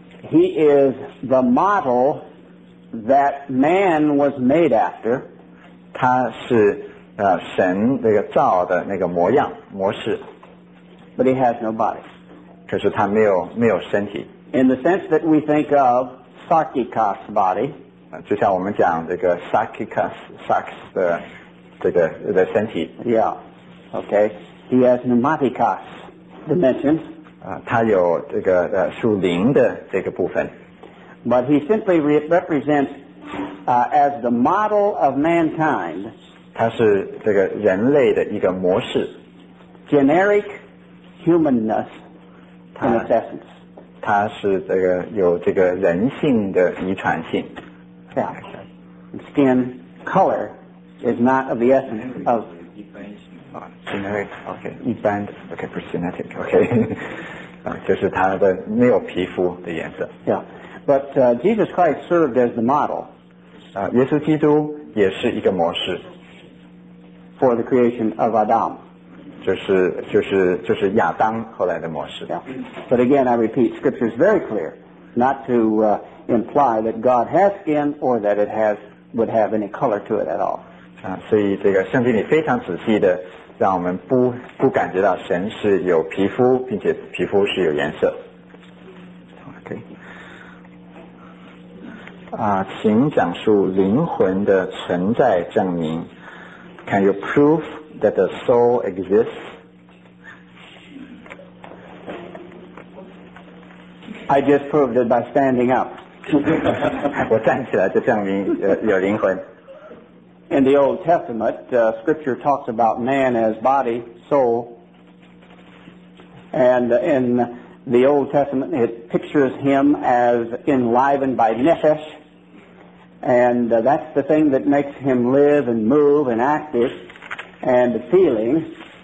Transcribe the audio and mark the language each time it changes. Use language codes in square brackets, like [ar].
[en] He is the model that man was made after. [zh] 他是神那个造的那个模样模式。 [en] But he has no body. [zh] 可是他没有身体。 [en] In the sense that we think of sarkikos body. [zh] 就像我们讲这个 sarkikos 的这个的身体。 [en] Yeah. Okay. He has pneumatikos dimension. [zh] 他有这个属灵的这个部分。 [en] But he simply represents, as the model of mankind. [zh] 他是这个人类的一个模式。 [en] Generic humanness in its essence. [zh] 他是这个有这个人性的遗传性。 [en] Yeah. Skin color is not of the essence of. [zh] Generic, okay, 一般的 okay, for genetic, okay, 就是他的没有皮肤的颜色。 [en] Yeah, but Jesus Christ served as the model. [zh] 耶稣基督也是一个模式。 [en] For the creation of Adam. [zh] 就是亚当后来的模式。 [en] Yeah, but again, I repeat, Scripture is very clear not to imply that God has skin or that it would have any color to it at all. [zh] 所以这个圣经里非常仔细的让我们不感觉到神是有皮肤并且皮肤是有颜色。 [en] Okay. [zh] 请讲述灵魂的存在证明。 [en] Can you prove that the soul exists? I just proved it by standing up. [zh] 我站起来就证明有灵魂。 [en] in the Old Testament, Scripture talks about man as body, soul, and in the Old Testament it pictures him as enlivened by nephesh, and that's the thing that makes him live and move and active and feeling.